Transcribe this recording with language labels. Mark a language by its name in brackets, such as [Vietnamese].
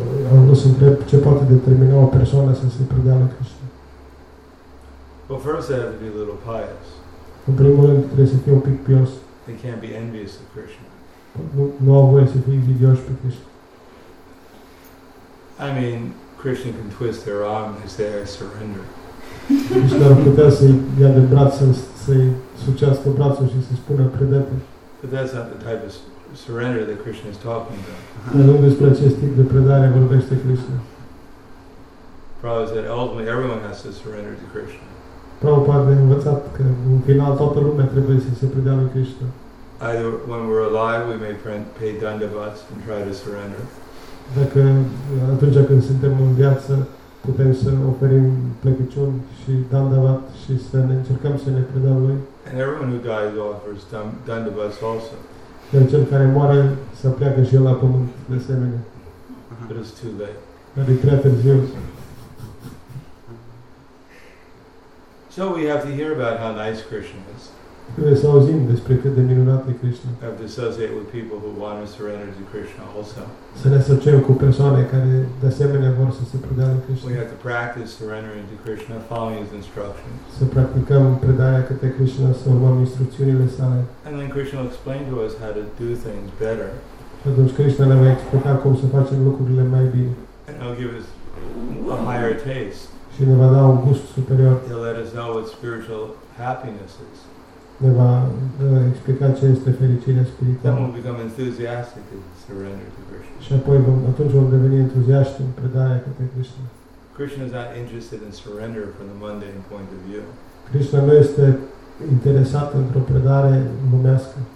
[Romanian] Am vrut să întreb ce poate determina o persoană să se predea la Krishna. [English] Well, first they have to be a little pious. [Romanian] În primul rând trebuie să fie un pic pios. [English] They can't be envious of Krishna. [Romanian] Nu au voie să fie invidioși pe Krishna. [English] I mean, Krishna can twist their arm and say, I surrender. [Romanian] Krishna ar putea să-i ia de braț, să-i sucească brațul și să spună, predete. [English] But that's not the type of surrender that Krishna is talking about. [Romanian] Dar nu despre acest tip de predare vorbește Krishna. [English] Prabhupada said, ultimately everyone has to surrender to Krishna. [Romanian] Prabhupada a învățat că în final toată lumea trebuie să se predea lui Krishna. [English] Either when we're alive, we may pay dandavats and try to surrender. [Romanian] Dacă atunci când suntem în viață, putem să oferim plecăciun și dandavat și să ne încercăm să ne predăm lui. [English] And everyone who dies offers dandavats also. [Romanian] Dar cel care moare să pleacă și el la pământ de asemenea. [English] But it's too late. [Romanian] Dar e prea târziu. [English] So we have to hear about how nice Krishna is. [Romanian] Trebuie să auzim despre cât de minunat e Krishna. [English] We have to associate with people who want to surrender to Krishna also. [Romanian] Să ne asociem cu persoane care de asemenea vor să se predea lui Krishna. [English] We have to practice surrendering to Krishna, following His instructions. [Romanian] Să practicăm predarea către Krishna, să urmăm instrucțiunile sale. [English] And then Krishna will explain to us how to do things better. [Romanian] Și atunci Krishna ne va explica cum să facem lucrurile mai bine. [English] And He'll give us a higher taste. [Romanian] Și ne va da un gust superior. [English] He'll let us know what spiritual happiness is. [Romanian] Ne va explica ce este fericirea spirituală. [English] Then we'll become enthusiastic and surrender to Krishna. [Romanian] Și apoi atunci vom deveni entuziaști în predarea către Krishna. [English] Krishna is not interested in surrender from the mundane point of view. [Romanian] Krishna nu este interesat într-o predare lumească.